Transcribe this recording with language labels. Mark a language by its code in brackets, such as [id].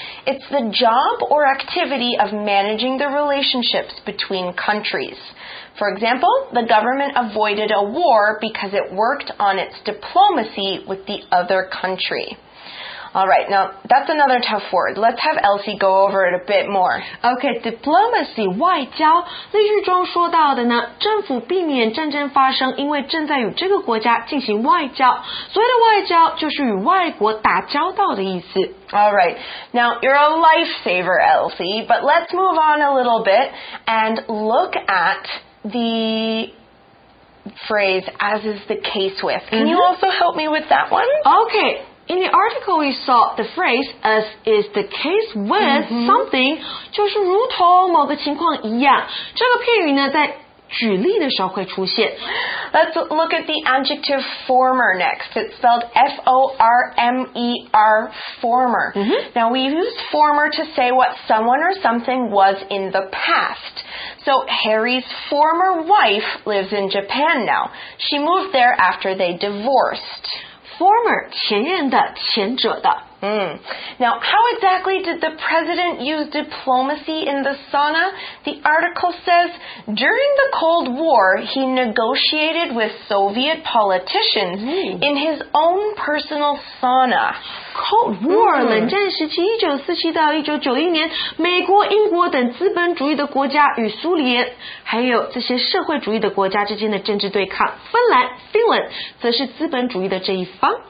[en] It's the job or activity of managing the relationships between countries. For example, the government avoided a war because it worked on its diplomacy with the other country. All right, now, that's another tough word. Let's have Elsie go over it a bit more. [zh] Okay, diplomacy, 外交。例句中说到的呢，政府避免战争发生，因为正在与这个国家进行外交。所谓的外交，就是与外国打交道的意思。 [en] All right, now, you're a lifesaver, Elsie, but let's move on a little bit and look at the... phrase, as is the case with. Can you also help me with that one? Okay, In the article, we saw the phrase, as is the case with something, [zh] 就是如同某个情况一样。这个片语呢，在举例的时候会出现。 [en] Let's look at the adjective former next. It's spelled F-O-R-M-E-R, former. Now, we use former to say what someone or something was in the past. So, Harry's former wife lives in Japan now. She moved there after they divorced. [zh] Former, 前任的，前者的。 [en] Now, how exactly did the president use diplomacy in the sauna? The article says, during the Cold War, he negotiated with Soviet politicians in his own personal sauna. [zh] Cold War, 冷战时期1947到1991年，美国、英国等资本主义的国家与苏联，还有这些社会主义的国家之间的政治对抗。芬兰 Finland, 则是资本主义的这一方。